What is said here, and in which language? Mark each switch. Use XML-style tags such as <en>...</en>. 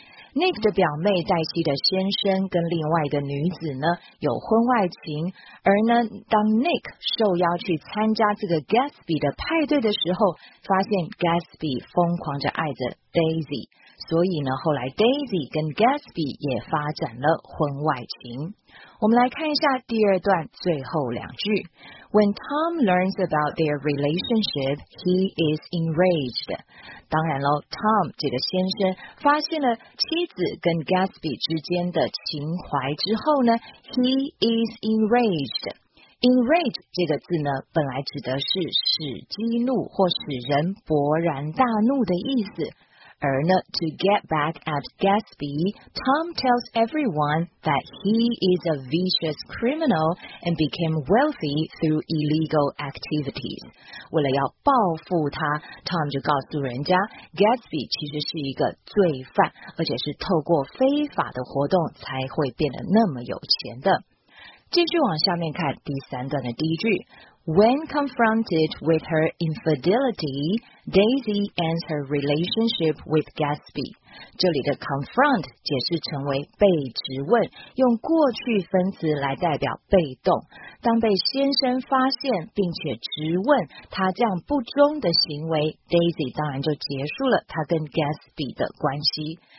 <zh>Nick 的表妹黛西的先生跟另外的女子呢有婚外情，而呢当 Nick 受邀去参加这个 Gatsby 的派对的时候，发现 Gatsby 疯狂着爱着 Daisy， 所以呢后来 Daisy 跟 Gatsby 也发展了婚外情。我们来看一下第二段最后两句。</zh> <en>When Tom learns about their relationship, he is enraged.</en> <zh>当然咯， Tom 这个先生发现了妻子跟 Gatsby 之间的情怀之后呢，</zh> <en>he is enraged。</en> <zh>Enraged 这个字呢本来指的是使激怒或使人勃然大怒的意思。而呢</zh> <en>to get back at Gatsby, Tom tells everyone that he is a vicious criminal and became wealthy through illegal activities.</en> <zh>为了要报复他， Tom 就告诉人家 Gatsby 其实是一个罪犯，而且是透过非法的活动才会变得那么有钱的。继续往下面看第三段的第一句。</zh> <en>When confronted with her infidelity, Daisy ends her relationship with Gatsby.</en> <zh>这里的 confront 解释成为被质问，用过去分词来代表被动。当被先生发现并且质问他这样不忠的行为， Daisy 当然就结束了他跟 Gatsby 的关系。</zh>